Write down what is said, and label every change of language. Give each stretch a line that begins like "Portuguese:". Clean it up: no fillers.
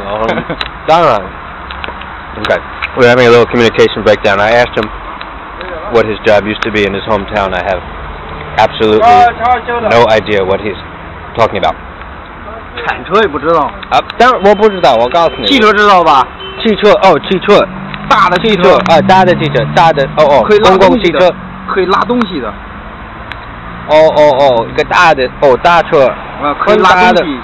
Chinese: 就这种，装满土，然后往汽车上一翻，那种铲车翻，铲车，你看看你那个字典上铲车是什么意思？我现在没有字典在工作呀。那我给你说。我觉得你的字很麻烦了。当然。Okay,
English: we're having a little communication breakdown. I asked him what his job used to be in his hometown. I have absolutely no idea what he's talking about.
Chinese: 铲车也不知道。当然我不知道，我告诉你。汽车知道吧？汽车，哦，汽车，大的汽车，大的汽车，哦哦，公共汽车，可以拉东西的。哦哦哦，一个大的，哦，大车，可以拉东西。